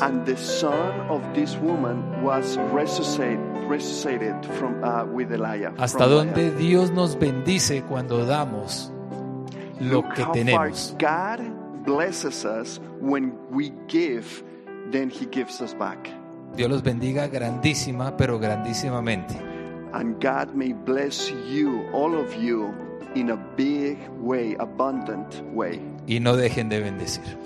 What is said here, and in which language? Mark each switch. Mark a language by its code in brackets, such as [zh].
[en] And the son of this woman was resuscitated from with Elijah. [es] Hasta donde Dios nos bendice cuando damos lo que tenemos. [en] Look how far God blesses us when we give, then he gives us back. [es] Dios los bendiga grandísima, pero grandísimamente. [en] And God may bless you, all of you, in a big way, abundant way. [es] Y no dejen de bendecir.